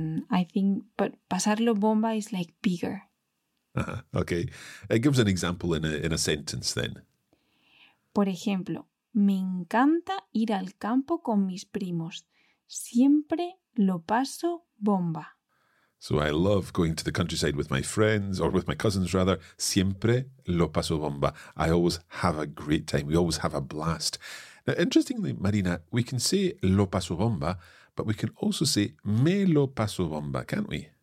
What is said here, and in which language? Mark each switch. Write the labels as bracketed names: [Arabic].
[English] I think, but pasarlo bomba is like bigger. Okay. Give us an example in a sentence then. [Spanish] Por ejemplo, me encanta ir al campo con mis primos. Siempre lo paso bomba. [English] So I love going to the countryside with my friends, or with my cousins rather. [Spanish] Siempre lo paso bomba. [English] I always have a great time. We always have a blast. Now, interestingly, Marina, we can say [Spanish] lo paso bomba, [English] but we can also say [Spanish] me lo paso bomba, [English] can't we?